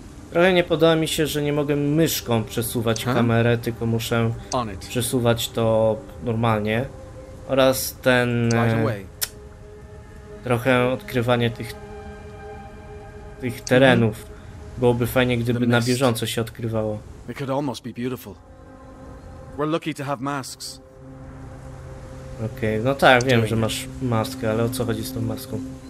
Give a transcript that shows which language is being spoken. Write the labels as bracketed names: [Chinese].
[Polish] Trochę nie podoba mi się, że nie mogę myszką przesuwać kamerę, tylko muszę przesuwać to normalnie. Oraz ten... [English] Right away. [Polish] Trochę odkrywanie tych terenów. Mm-hmm. Byłoby fajnie, gdyby na bieżąco się odkrywało. [English] It could almost be beautiful. We're lucky to have masks. [Polish] Okej, no tak, wiem, że masz maskę, ale o co chodzi z tą maską?